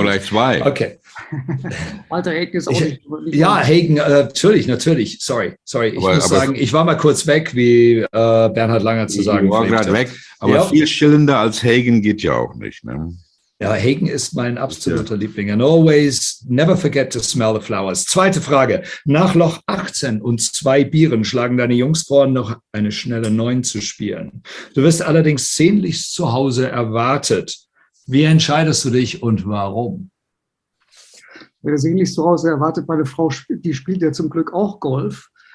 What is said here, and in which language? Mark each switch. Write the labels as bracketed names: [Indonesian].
[German] Aber gleich zwei. Okay. Walter Häkel ist auch nicht. Ja, Häkel, natürlich. Sorry. Ich muss sagen, ich war mal kurz weg, wie Bernhard Langer zu sagen. Ich war gerade weg. Aber ja. Viel schillender als Häkel geht ja auch nicht, ne? Ja, Häkel ist mein absoluter Liebling. [English] And always never forget to smell the flowers. [German] Zweite Frage. Nach Loch 18 und zwei Bieren schlagen deine Jungs vor, noch eine schnelle 9 zu spielen. Du wirst allerdings sehnlichst zu Hause erwartet. Wie entscheidest du dich und warum? Wer sehnlichst zu Hause erwartet, meine Frau, die spielt ja zum Glück auch Golf.